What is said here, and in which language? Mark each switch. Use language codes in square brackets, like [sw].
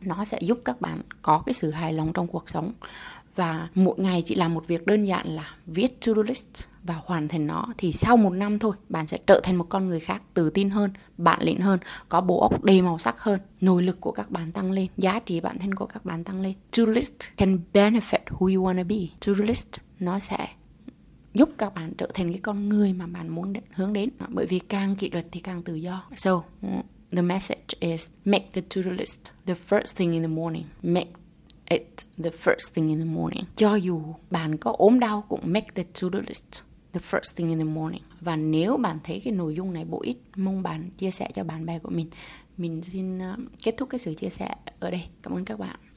[vi] Nó sẽ giúp các bạn có cái sự hài lòng trong cuộc sống. Và mỗi ngày chỉ làm một việc đơn giản là viết to-do list và hoàn thành nó, thì sau 1 năm thôi, bạn sẽ trở thành một con người khác, tự tin hơn, bản lĩnh hơn, có bộ óc đầy màu sắc hơn, nội lực của các bạn tăng lên, giá trị bản thân của các bạn tăng lên. [en] To-do list can benefit who you wanna be. [vi] To-do list nó sẽ giúp các bạn trở thành cái con người mà bạn muốn hướng đến. Bởi vì càng kỷ luật thì càng tự do. [en] So, the message is make the to-do list the first thing in the morning. Make it the first thing in the morning. [vi] Cho dù bạn có ốm đau cũng [en] make the to-do list the first thing in the morning. [vi] Và nếu bạn thấy cái nội dung này bổ ích, mong bạn chia sẻ cho bạn bè của mình. Mình xin kết thúc cái sự chia sẻ ở đây. Cảm ơn các bạn.